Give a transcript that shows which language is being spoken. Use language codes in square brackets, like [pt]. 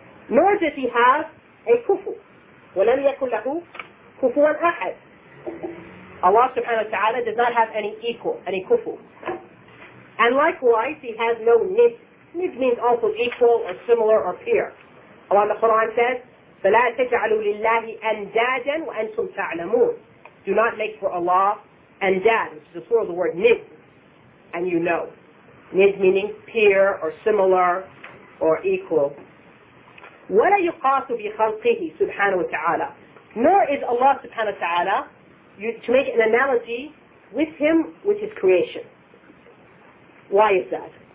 [en] Nor does he have a kufu. [ar] وَلَمْ يَكُنْ لَهُ كُفُوًا أَحَدٍ. [en] Allah subhanahu wa ta'ala does not have any equal, any kufu. And likewise, he has no nid. Nid means also equal or similar or peer. Allah in the Quran says, [ar] فَلَا تَجْعَلُوا لِلَّهِ أَنْدَادًا وَأَنْتُمْ تَعْلَمُونَ. [en] Do not make for Allah andad, which is the plural of the word nid, and you know. Nid meaning peer or similar or equal. [ar] وَلَا يُقَاسُ بِخَلْقِهِ سُبْحَانَهُ وَتَعَالَى. [en] Nor is Allah subhanahu wa ta'ala to make an analogy with him, with his creation. Why is that?